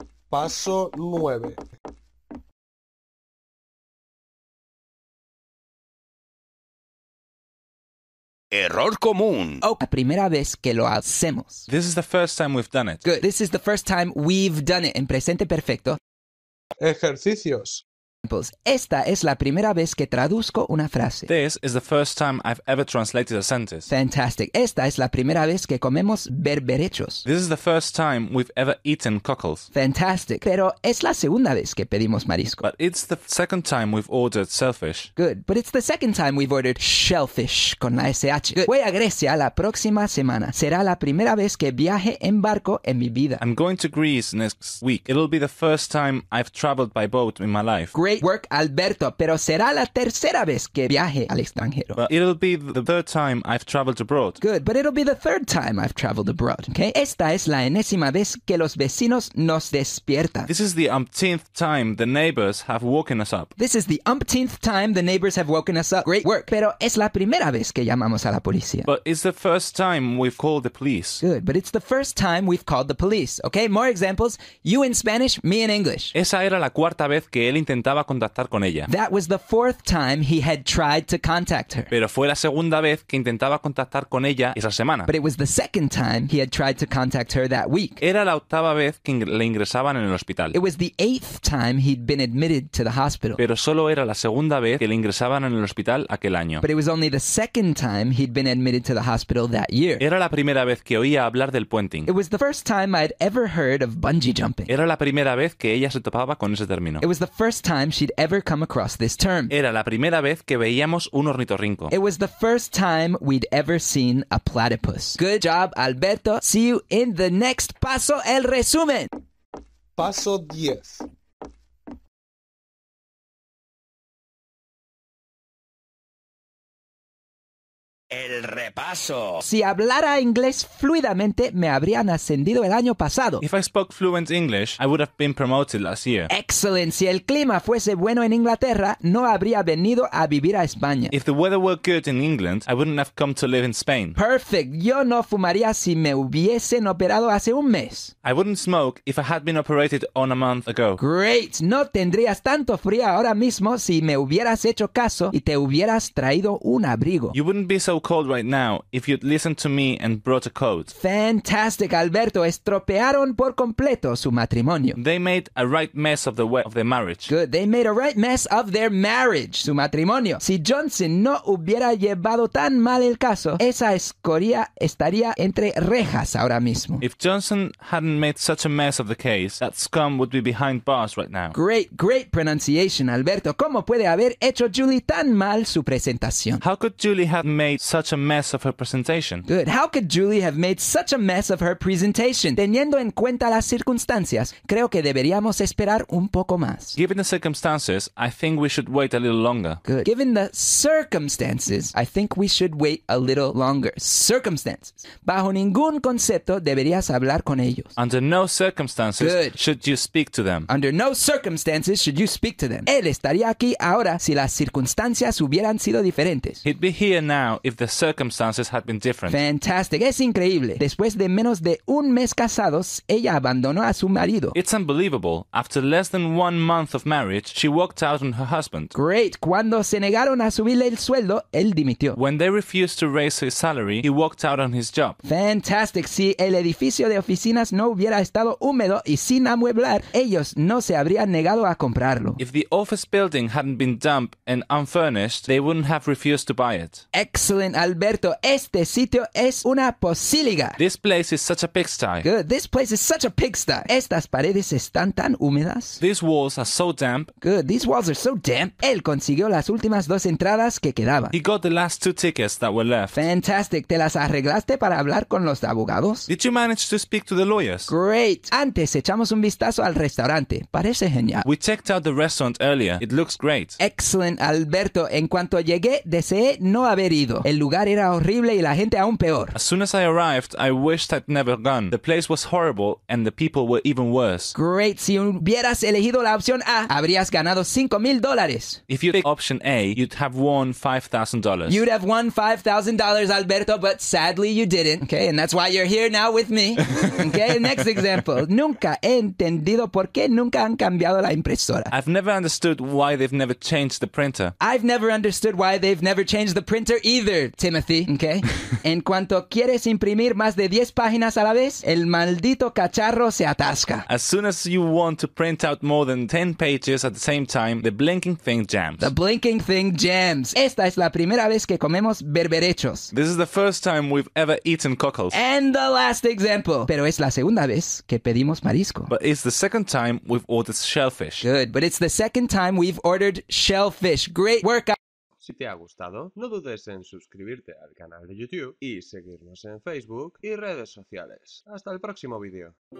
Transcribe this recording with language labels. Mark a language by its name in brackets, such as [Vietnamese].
[Spanish] Paso 9. Error común. Oh, la primera vez que lo hacemos. [English] This is the first time we've done it. Good. This is the first time we've done it. [Spanish] En presente perfecto. Ejercicios. Esta es la primera vez que traduzco una frase. [English] This is the first time I've ever translated a sentence. Fantastic. [Spanish] Esta es la primera vez que comemos berberechos. [English] This is the first time we've ever eaten cockles. [Spanish] Fantastic. Pero es la segunda vez que pedimos marisco. [English] But it's the second time we've ordered shellfish. Good. But it's the second time we've ordered shellfish [Spanish] con la SH. Good. Voy a Grecia la próxima semana. Será la primera vez que viaje en barco en mi vida. [English] I'm going to Greece next week. It'll be the first time I've traveled by boat in my life. Great. great work, Alberto, pero será la tercera vez que viaje al extranjero. Well, it'll be the third time I've traveled abroad. Good, but it'll be the third time I've traveled abroad, okay? [Spanish] Esta es la enésima vez que los vecinos nos despiertan. [English] This is the umpteenth time the neighbors have woken us up. This is the umpteenth time the neighbors have woken us up. Great work. [Spanish] Pero es la primera vez que llamamos a la policía. [English] But it's the first time we've called the police. Good, but it's the first time we've called the police, okay? More examples. You in Spanish, me in English. [Spanish] Esa era la cuarta vez que él intentaba contactar con ella. [English] That was the fourth time he had tried to contact her. [Spanish] Pero fue la segunda vez que intentaba contactar con ella esa semana. [English] But it was the second time he had tried to contact her that week. [Spanish] Era la octava vez que le ingresaban en el hospital. [English] It was the eighth time he'd been admitted to the hospital. [Spanish] Pero solo era la segunda vez que le ingresaban en el hospital aquel año. [English] But it was only the second time he'd been admitted to the hospital that year. [Spanish] Era la primera vez que oía hablar del puenting. [English] It was the first time I'd ever heard of bungee jumping. [Spanish] Era la primera vez que ella se topaba con ese término. [English] It was the first time she'd ever come across this term. [Spanish] Era la primera vez que veíamos un ornitorrinco. [English] It was the first time we'd ever seen a platypus. Good job, Alberto. See you in the next paso, [Spanish] el resumen. Paso 10. El repaso. Si hablara inglés fluidamente, me habrían ascendido el año pasado. [English] If I spoke fluent English, I would have been promoted last year. Excellent. [Spanish] Si el clima fuese bueno en Inglaterra, no habría venido a vivir a España. [English] If the weather were good in England, I wouldn't have come to live in Spain. Perfect. [Spanish] Yo no fumaría si me hubiesen operado hace un mes. [English] I wouldn't smoke if I had been operated on a month ago. Great. [Spanish] No tendrías tanto frío ahora mismo si me hubieras hecho caso y te hubieras traído un abrigo. [English] You wouldn't be so cold right now if you'd listened to me and brought a coat. [Spanish] Fantastic, Alberto. Estropearon por completo su matrimonio. [English] They made a right mess of their marriage. Good. They made a right mess of their marriage, [Spanish] su matrimonio. Si Johnson no hubiera llevado tan mal el caso, esa escoria estaría entre rejas ahora mismo. [English] If Johnson hadn't made such a mess of the case, that scum would be behind bars right now. Great, great pronunciation, Alberto. [Spanish] ¿Cómo puede haber hecho Julie tan mal su presentación? [English] How could Julie have made such a mess of her presentation? Good. How could Julie have made such a mess of her presentation? [Spanish] Teniendo en cuenta las circunstancias, creo que deberíamos esperar un poco más. [English] Given the circumstances, I think we should wait a little longer. Good. Given the circumstances, I think we should wait a little longer. [Spanish] Circumstances. Bajo ningún concepto deberías hablar con ellos. [English] Under no circumstances. Good. Should you speak to them. Under no circumstances should you speak to them. [Spanish] Él estaría aquí ahora si las circunstancias hubieran sido diferentes. [English] He'd be here now if the circumstances had been different. [Spanish] Fantastic. Es increíble. Después de menos de un mes casados, ella abandonó a su marido. [English] It's unbelievable. After less than 1 month of marriage, she walked out on her husband. Great. [Spanish] Cuando se negaron a subirle el sueldo, él dimitió. [English] When they refused to raise his salary, he walked out on his job. Fantastic. [Spanish] Si el edificio de oficinas no hubiera estado húmedo y sin amueblar, ellos no se habrían negado a comprarlo. [English] If the office building hadn't been damp and unfurnished, they wouldn't have refused to buy it. [Spanish] Excellent, Alberto. Este sitio es una posíliga. [English] This place is such a pigsty. Good. This place is such a pigsty. [Spanish] Estas paredes están tan húmedas. [English] These walls are so damp. Good. These walls are so damp. [Spanish] Él consiguió las últimas dos entradas que quedaban. [English] He got the last two tickets that were left. Fantastic. [Spanish] ¿Te las arreglaste para hablar con los abogados? [English] Did you manage to speak to the lawyers? [Spanish] Great. Antes echamos un vistazo al restaurante. Parece genial. [English] We checked out the restaurant earlier. It looks great. [Spanish] Excellent, Alberto. En cuanto llegué, deseé no haber ido. El lugar era horrible y la gente aún peor. [English] As soon as I arrived, I wished I'd never gone. The place was horrible and the people were even worse. Great. Si hubieras elegido la opción A, habrías ganado $5,000. If you picked option A, you'd have won $5,000. You'd have won $5,000, Alberto, but sadly you didn't. Okay, and that's why you're here now with me. Okay, next example. [Spanish] Nunca he entendido por qué nunca han cambiado la impresora. [English] I've never understood why they've never changed the printer. I've never understood why they've never changed the printer either, Timothy, okay? [Spanish] En cuanto quieres imprimir más de 10 páginas a la vez, el maldito cacharro se atasca. [English] As soon as you want to print out more than 10 pages at the same time, the blinking thing jams. The blinking thing jams. [Spanish] Esta es la primera vez que comemos berberechos. [English] This is the first time we've ever eaten cockles. And the last example. [Spanish] Pero es la segunda vez que pedimos marisco. [English] But it's the second time we've ordered shellfish. Good, but it's the second time we've ordered shellfish. Great work. [Spanish] Si te ha gustado, no dudes en suscribirte al canal de YouTube y seguirnos en Facebook y redes sociales. Hasta el próximo vídeo.